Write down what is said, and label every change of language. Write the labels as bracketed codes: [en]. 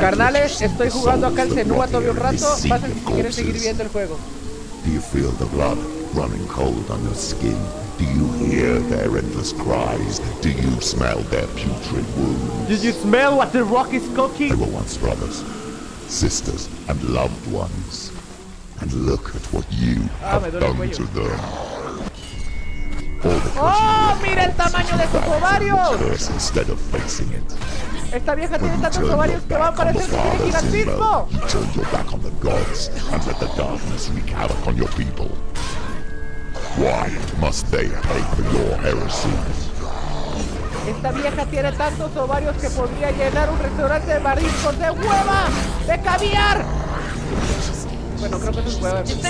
[es] Carnales, estoy jugando acá el Senua todavía un rato. Pasen si quieren seguir viendo el juego. [en] Do you feel the blood running cold on your skin? Do you hear their endless cries? Do you smell their putrid wounds? Did you smell what the rock is cooking? They were once brothers, sisters, and loved ones. And look at what you have done to them. [es] ¡Oh, mira el tamaño de sus ovarios! [en] Instead of facing it. [es] Esta vieja tiene tantos ovarios que va a parecer que tiene gigantismo. [en] Turn your back on the gods and let the darkness wreak havoc on your people. Why must they pay for your heresy? [es] Esta vieja tiene tantos ovarios que podría llenar un restaurante de mariscos de hueva, de caviar. Bueno, creo que eso es hueva.